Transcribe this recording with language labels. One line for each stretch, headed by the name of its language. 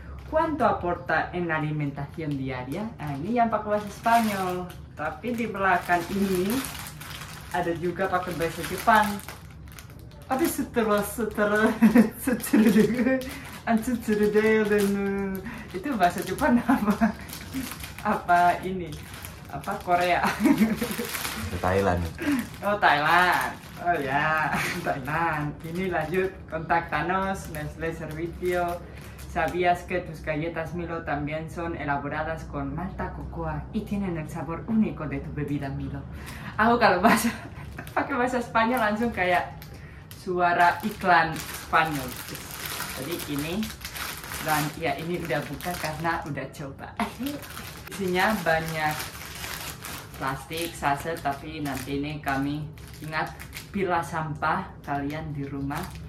Spanish: ¿Cuánto aporta en la alimentación diaria?
Indonesian: Nah, ini yang pakai bahasa Spanyol. Tapi di belakang ini ada juga pakai bahasa Jepang. Tapi itu bahasa Jepang apa ini? Apa Korea? Thailand. Oh, Thailand. Oh ya, Thailand. Ini lanjut,
Spanish: contáctanos, Nestlé Servicio. ¿Sabías que tus galletas Milo también son elaboradas con malta cocoa y tienen el sabor único de tu bebida Milo?
Indonesian: Aku kalau bahasa, pakai bahasa Spanyol langsung kayak suara iklan Spanyol. Jadi ini, dan ya ini udah buka karena udah coba. Isinya banyak plastik, saset, tapi nanti ini kami ingat pilah sampah kalian di rumah.